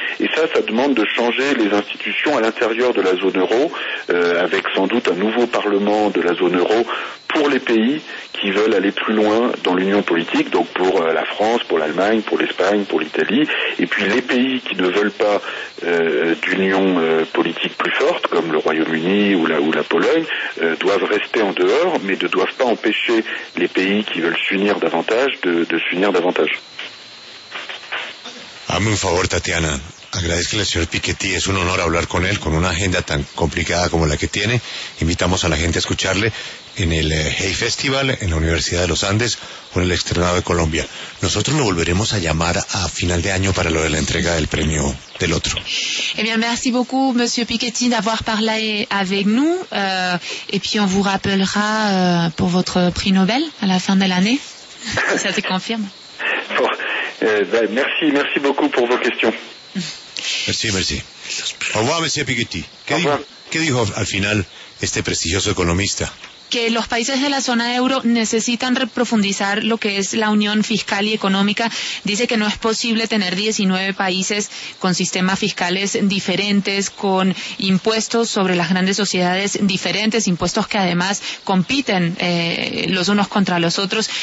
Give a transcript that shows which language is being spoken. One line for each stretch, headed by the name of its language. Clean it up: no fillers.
French: Et ça, ça demande de changer les institutions à l'intérieur de la zone euro, avec sans doute un nouveau parlement de la zone euro pour les pays qui veulent aller plus loin dans l'union politique, donc pour la France, pour l'Allemagne, pour l'Espagne, pour l'Italie, et puis les pays qui ne veulent pas d'union politique plus forte, comme le Royaume-Uni ou la Pologne, doivent rester en dehors, mais ne doivent pas empêcher les pays qui veulent s'unir davantage de s'unir davantage.
Spanish: Hazme un favor, Tatiana. Agradezco al señor Piketty, es un honor hablar con él, con una agenda tan complicada como la que tiene. Invitamos a la gente a escucharle en el Hey Festival, en la Universidad de los Andes, o en el Externado de Colombia. Nosotros lo volveremos a llamar a final de año para lo de la entrega del premio del otro.
French: Eh bien, merci beaucoup, monsieur Piketty, d'avoir parlé avec nous. Et puis on vous rappellera pour votre prix Nobel à la fin de l'année. Ça te confirme? Merci beaucoup pour vos questions. Merci. Au revoir, monsieur Piketty.
Spanish: ¿Qué dijo al final este prestigioso economista? Que los países de la zona euro necesitan reprofundizar lo que es la unión fiscal y económica. Dice que no es posible tener 19 países con sistemas fiscales diferentes, con impuestos sobre las grandes sociedades diferentes, impuestos que además compiten los unos contra los otros.